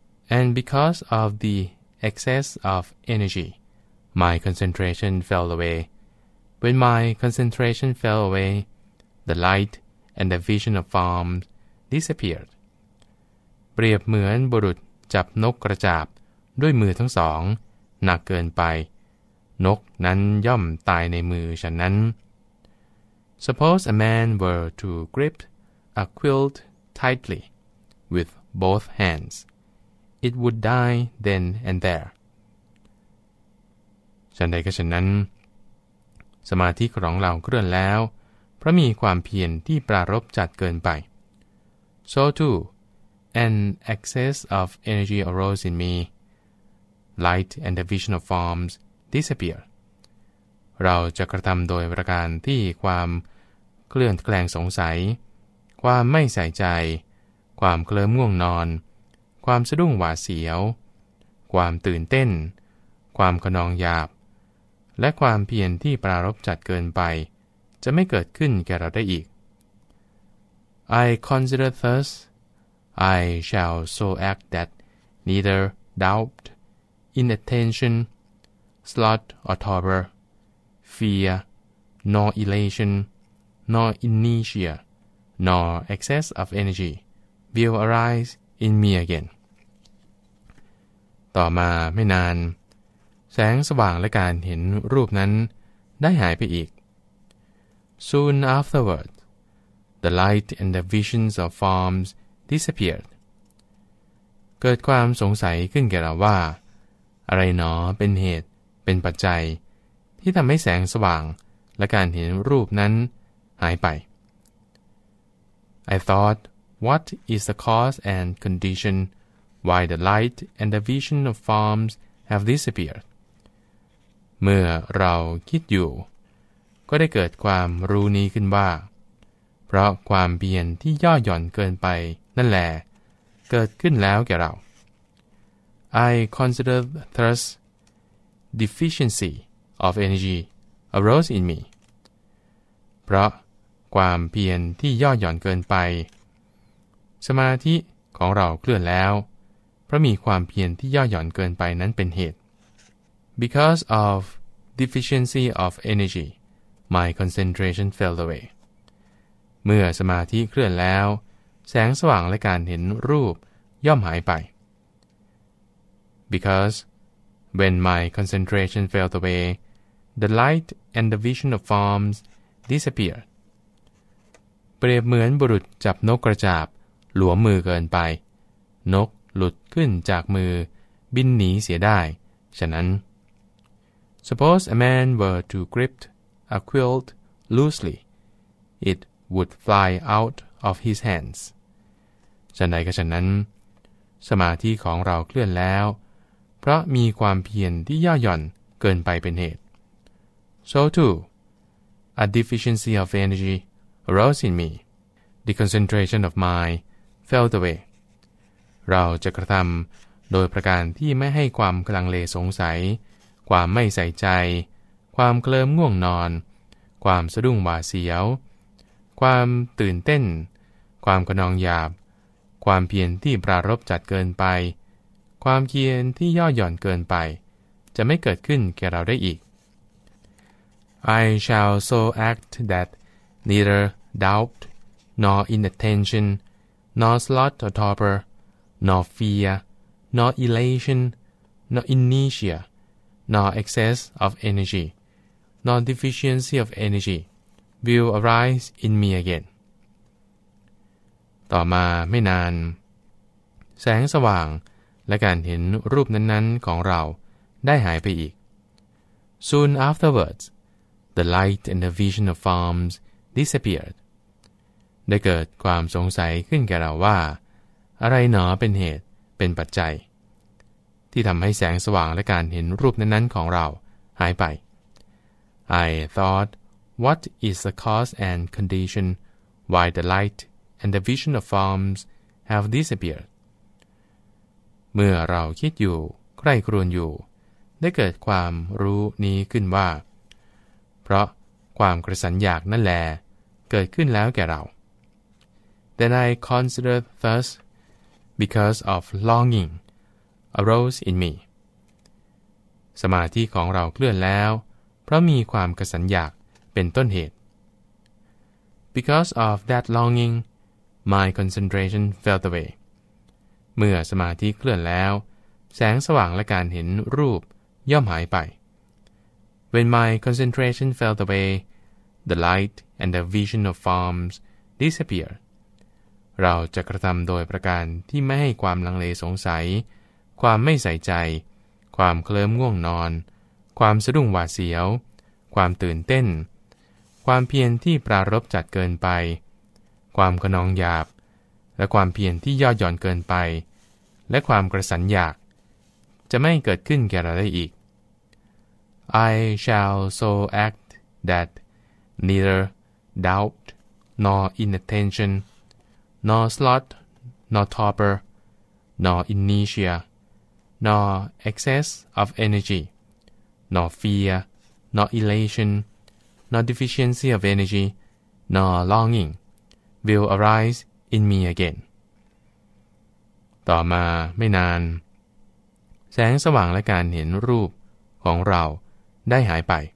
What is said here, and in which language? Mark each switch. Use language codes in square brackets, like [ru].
[en] And because of the excess of energy my concentration fell away When my concentration fell away the light and the vision of forms disappeared. [th] เปรียบเหมือนบุรุษจับนกกระจาบด้วยมือทั้งสองหนักเกินไปนกนั้นย่อมตายในมือฉะนั้น [en] Suppose a man were to grip a quilt tightly with both hands it would die then and there [th] ฉันใดก็ฉะนั้นสมาธิของเราเคลื่อนแล้วเพราะมีความเพียรที่ปรารภจัดเกินไป [en] So tooAn excess of energy arose in me. Light and the vision of forms disappear. [th] เราจะกระทำโดยประการที่ความเคลื่อนแคลงสงสัยความไม่ใส่ใจ ความเคลิ้มง่วงนอนความสะดุ้งหวาดเสียว ความตื่นเต้นความขนองหยาบและความเพียรที่ปรารภจัดเกินไปจะไม่เกิดขึ้นแก่เราได้อีก [en] I consider thus I shall so act that neither doubt inattention sloth or torpor fear nor elation nor inertia nor excess of energy will arise in me again [th] ต่อมาไม่นานแสงสว่างและการเห็นรูปนั้นได้หายไปอีก [en] Soon afterward, the light and the visions of forms disappeared. [th] เกิดความสงสัยขึ้นแก่เราว่าอะไรหนอเป็นเหตุเป็นปัจจัยที่ทำให้แสงสว่างและการเห็นรูปนั้นหายไป [en] I thought, what is the cause and condition why the light and the vision of forms have disappeared? [th] เมื่อเราคิดอยู่ก็ได้เกิดความรู้นี้ขึ้นว่าเพราะความเพียรที่ย่อหย่อนเกินไปนั่นแหละเกิดขึ้นแล้วแก่เรา [en] I consider thus deficiency of energy arose in me [th] เพราะความเพียรที่ย่อหย่อนเกินไปสมาธิของเราเคลื่อนแล้วเพราะมีความเพียรที่ย่อหย่อนเกินไปนั้นเป็นเหตุ [en] Because of deficiency of energy, my concentration fell away. [th] เมื่อสมาธิเคลื่อนแล้วแสงสว่างและการเห็นรูปย่อมหายไป [en] Because when my concentration fell away, the light and the vision of forms disappeared. [th] เปรียบเหมือนบุรุษจับนกกระจาบหลวมมือเกินไปนกหลุดขึ้นจากมือบินหนีเสียได้ฉะนั้น [en] Suppose a man were to grip a quilt loosely, it would fly out of his hands. [th] ฉันใดก็ฉันนั้นสมาธิของเราเคลื่อนแล้วเพราะมีความเพียรที่ย่อหย่อนเกินไปเป็นเหตุ [en] So too, a deficiency of energy arose in me. The concentration of mind fell away. [th] เราจะกระทำโดยประการที่ไม่ให้ความกลังเลสงสัยความไม่ใส่ใจความเคลิ้มง่วงนอนความสะดุ้งหวาดเสียวความตื่นเต้นความขนองหยาบความเพียรที่ปรารภจัดเกินไปความเพียรที่ย่อหย่อนเกินไปจะไม่เกิดขึ้นแก่เราได้อีก [en] I shall so act that neither doubt nor inattention nor sloth or torpor nor fear nor elation nor inertia nor excess of energy, nor deficiency of energy, will arise in me again. [th] ต่อมาไม่นานแสงสว่างและการเห็นรูปนั้นๆของเราได้หายไปอีก [en] Soon afterwards, the light and the vision of forms disappeared. [th] ได้เกิดความสงสัยขึ้นแก่เราว่าอะไรหนอเป็นเหตุเป็นปัจจัยที่ทำให้แสงสว่างและการเห็นรูปนั้นๆของเราหายไป [en] I thought, what is the cause and condition why the light and the vision of forms have disappeared? [th] เมื่อเราคิดอยู่ใคร่ครวญอยู่ได้เกิดความรู้นี้ขึ้นว่าเพราะความกระสันอยากนั่นแหละเกิดขึ้นแล้วแก่เรา [en] Then I considered thus because of longingarose in me [th] สมาธิของเราเคลื่อนแล้วเพราะมีความกระสันอยากเป็นต้นเหตุ [en] because of that longing my concentration fell away [th] เมื่อสมาธิเคลื่อนแล้วแสงสว่างและการเห็นรูปย่อมหายไป [en] when my concentration fell away the light and the vision of forms disappeared [th] เราจะกระทำโดยประการที่ไม่ให้ความลังเลสงสัยความไม่ใส่ใจความเคลิ้มง่วงนอนความสะดุ้งหวาดเสียวความตื่นเต้นความเพียรที่ปรารภจัดเกินไปความขนองหยาบและความเพียรที่ย่อหย่อนเกินไปและความกระสันอยากจะไม่เกิดขึ้นแก่เราได้อีก [en] I shall so act that neither doubt nor inattention, nor sloth, nor torpor, nor inertia, nor excess of energy, nor fear, nor elation, nor deficiency of energy, nor longing will arise in me again. [th] ต่อมาไม่นานแสงสว่างและการเห็นรูปของเราได้หายไป